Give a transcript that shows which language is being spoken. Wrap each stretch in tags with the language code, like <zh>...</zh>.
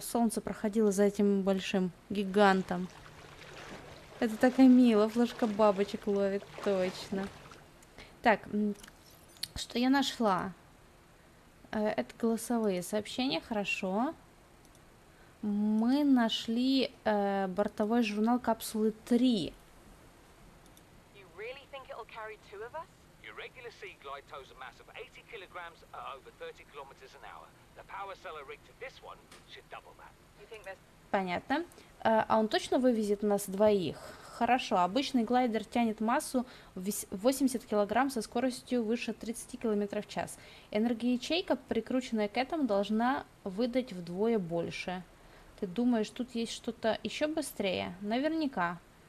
<ru>Солнце проходило за этим большим гигантом. Это такая мило, флажка бабочек ловит, точно. Так, что я нашла? Это голосовые сообщения, хорошо. Мы нашли бортовой журнал капсулы 3.</ru> <en>You really think it'll carry two of us? Your regular sea glide tows a mass of 80 kilograms at over 30 kilometers an hour. The power cell rigged to this one should double that.</en> <ru>Понятно. А он точно вывезет нас двоих? Хорошо, обычный глайдер тянет массу 80 кг со скоростью выше 30 км в час. Энергоячейка, прикрученная к этому, должна выдать вдвое больше. Ты думаешь, тут есть что-то еще быстрее? Наверняка.</ru>